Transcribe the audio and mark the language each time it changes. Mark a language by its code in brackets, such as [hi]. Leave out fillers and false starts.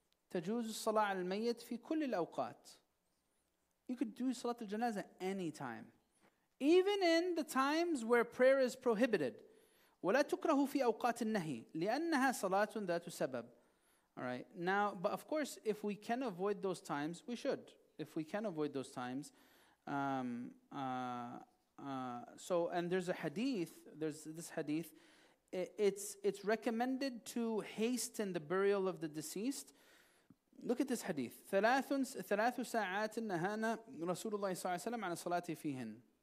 [ar] تجوز الصلاة على الميت في كل الأوقات. [en] You could do Salat al-Janazah anytime. Even in the times where prayer is prohibited. [ar] ولا تكره في أوقات النهي لأنها صلاة ذات سبب. [en] All right. Now, but of course, if we can avoid those times, we should. If we can avoid those times, there's this hadith. It's recommended to hasten the burial of the deceased. Look at this hadith. [ar] ثلاث ساعات نهانا رسول الله صلى الله عليه وسلم عن الصلاة فيهن.